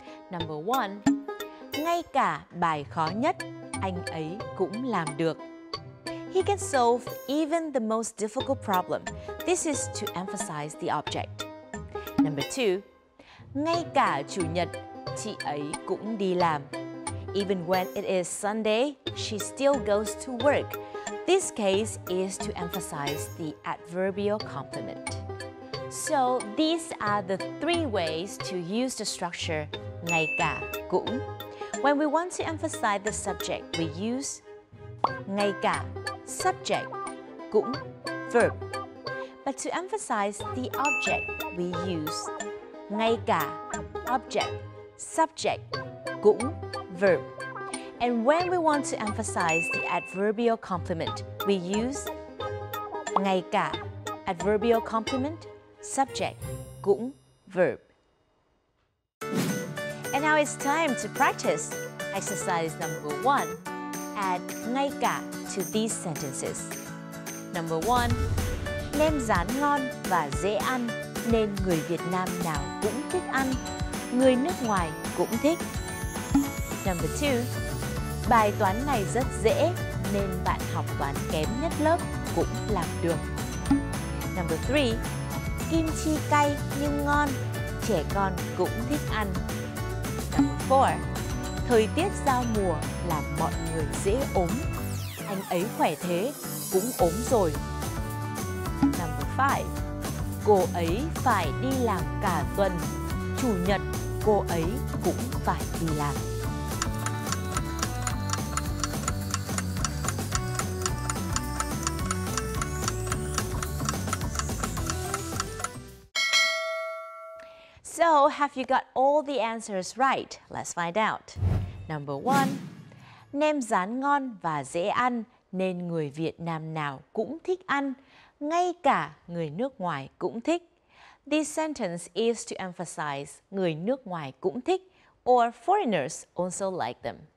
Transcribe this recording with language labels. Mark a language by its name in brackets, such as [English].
[English] Number one, [Vietnamese] ngay cả bài khó nhất, anh ấy cũng làm được. [English] He can solve even the most difficult problem. This is to emphasize the object. Number two, [Vietnamese] ngay cả chủ nhật, chị ấy cũng đi làm. [English] Even when it is Sunday, she still goes to work. This case is to emphasize the adverbial complement. So these are the three ways to use the structure ngay cả cũng. When we want to emphasize the subject, we use ngay cả subject, cũng verb. But to emphasize the object, we use ngay cả object, subject, cũng verb. And when we want to emphasize the adverbial complement, we use ngay cả adverbial complement, subject, cũng verb. And now it's time to practice exercise number one. Add ngay cả to these sentences. Number one, [Vietnamese] nem rán ngon và dễ ăn nên người Việt Nam nào cũng thích ăn, người nước ngoài cũng thích. [English] Number two, [Vietnamese] bài toán này rất dễ nên bạn học toán kém nhất lớp cũng làm được. [English] Number three, [Vietnamese] kim chi cay nhưng ngon, trẻ con cũng thích ăn. [English] Number four, [Vietnamese] thời tiết giao mùa làm mọi người dễ ốm, anh ấy khỏe thế cũng ốm rồi. [English] Number five, [Vietnamese] cô ấy phải đi làm cả tuần, chủ nhật cô ấy cũng phải đi làm. [English] So, have you got all the answers right? Let's find out. Number one, [Vietnamese] nem rán ngon và dễ ăn nên người Việt Nam nào cũng thích ăn, ngay cả người nước ngoài cũng thích. [English] This sentence is to emphasize [Vietnamese] người nước ngoài cũng thích, [English] or foreigners also like them.